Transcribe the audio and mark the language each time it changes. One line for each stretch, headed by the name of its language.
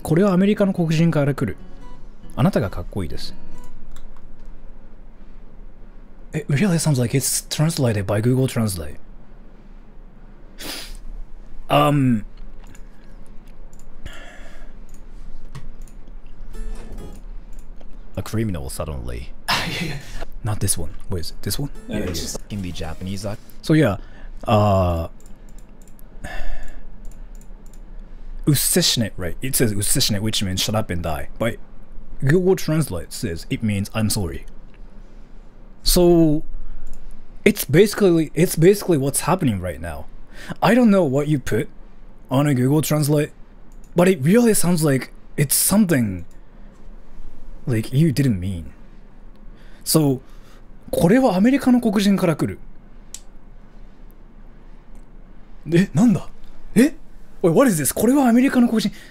Japanese: これはアメリカの黒人から来る。あなたがかっこいいです。
English: It really sounds like it's translated by Google Translate. A criminal suddenly. Not this one. Where is it? This one? Yeah, it's just in the Japanese. So yeah. Useshinet, right? It says useshinet, which means shut up and die. But Google Translate says it means I'm sorry. So It's basically what's happening right now. I don't know what you put on a Google Translate, but it really sounds like it's something like you didn't mean.
Japanese: So, これはアメリカの黒人から来る。え、なんだ？え？おい、
English: what is this?
Japanese: これはアメリカの黒人。